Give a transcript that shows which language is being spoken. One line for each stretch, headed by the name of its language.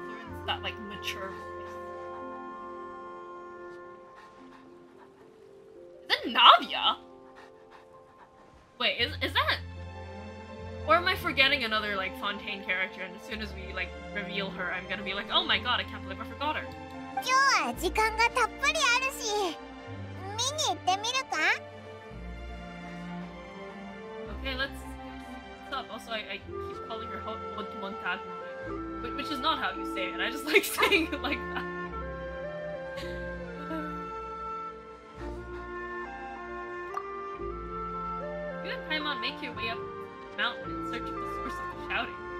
English: Florind's that like mature voice. Is that Navia? Wait, is that? Or am I forgetting another like Fontaine character, and as soon as we like reveal her, I'm gonna be like, oh my god, I can't believe I forgot her.
Japanese: 今日は時間がたっぷりあるし、見に行ってみるか?
English: Okay, let's stop. Also, I keep calling her Hotmontagne, which is not how you say it. I just like saying it like that. You and Paimon make your way up the mountain in search of the source of the shouting.